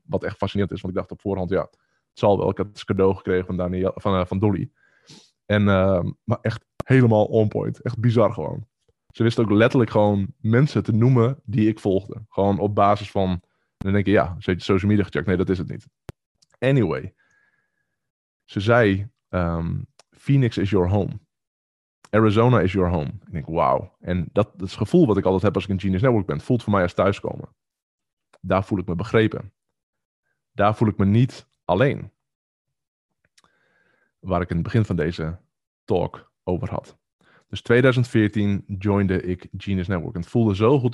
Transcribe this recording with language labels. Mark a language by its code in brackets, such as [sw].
[nl] Wat echt fascinerend is, want ik dacht op voorhand, ja, het zal wel. Ik had het cadeau gekregen van Daniel, van Dolly. En, maar echt helemaal on point. Echt bizar gewoon. Ze wist ook letterlijk gewoon mensen te noemen die ik volgde. Gewoon op basis van, en dan denk je, ja, ze heeft social media gecheckt. Nee, dat is het niet. [en] Anyway, [nl] ze zei, [en] Phoenix is your home. Arizona is your home. [nl] Ik denk, wauw. En dat is het gevoel wat ik altijd heb als ik in Genius Network ben. Het voelt voor mij als thuiskomen. Daar voel ik me begrepen. Daar voel ik me niet alleen. Waar ik in het begin van deze talk over had. Dus 2014 joinde ik Genius Network. En het voelde zo goed.